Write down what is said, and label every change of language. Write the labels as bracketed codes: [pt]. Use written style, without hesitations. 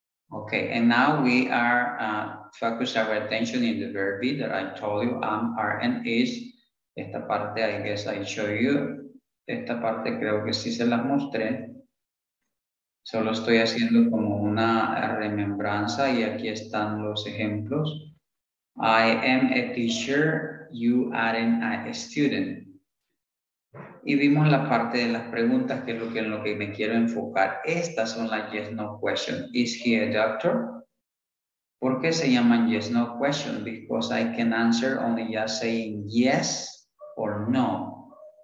[en] Okay, and now we are focus our attention in the verb be that I told you, am, are, and is. [es] Esta parte, [en] I guess I show you. [es] Esta parte creo que sí se las mostré. Solo estoy haciendo como una remembranza y aquí están los ejemplos. [en] I am a teacher, you are a student. [es] Y vimos la parte de las preguntas, que es lo que me quiero enfocar. Estas son las yes no questions. [en] Is he a doctor? [es] ¿Por qué se llaman yes, no question? [en] Because I can answer only just saying yes or no.